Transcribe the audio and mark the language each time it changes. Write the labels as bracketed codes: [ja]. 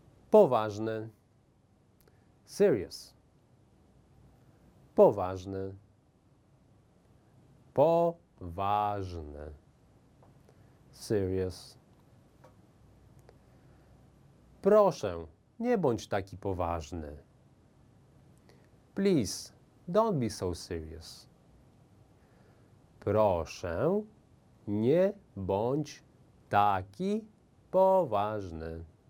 [pl] Poważny. [en] Serious. [pl] Poważny. Poważny. [en] Serious. [pl] Proszę, nie bądź taki poważny. [en] Please, don't be so serious. [pl] Proszę, nie bądź taki poważny.